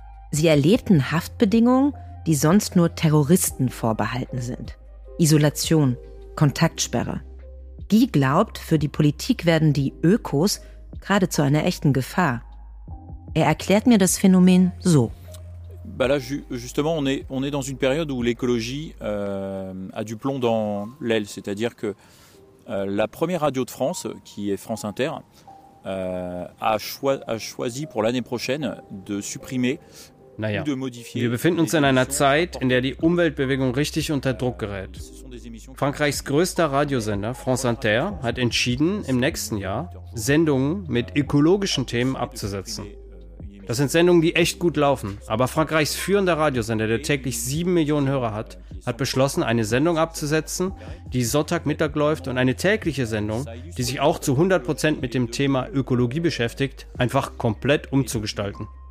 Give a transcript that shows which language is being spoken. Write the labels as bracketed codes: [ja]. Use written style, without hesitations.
[de] Sie erlebten Haftbedingungen, die sonst nur Terroristen vorbehalten sind. Isolation, Kontaktsperre. Guy glaubt, für die Politik werden die Ökos gerade zu einer echten Gefahr. Er erklärt mir das Phänomen so. [fr] Bah là justement on est dans une période où l'écologie a du plomb dans l'aile, c'est-à-dire que la première radio de France qui est France Inter a choisi pour l'année prochaine de supprimer. [de] Naja, wir befinden uns in einer Zeit, in der die Umweltbewegung richtig unter Druck gerät. Frankreichs größter Radiosender, France Inter, hat entschieden, im nächsten Jahr Sendungen mit ökologischen Themen abzusetzen. Das sind Sendungen, die echt gut laufen. Aber Frankreichs führender Radiosender, der täglich 7 Millionen Hörer hat, hat beschlossen, eine Sendung abzusetzen, die Sonntagmittag läuft, und eine tägliche Sendung, die sich auch zu 100% mit dem Thema Ökologie beschäftigt, einfach komplett umzugestalten.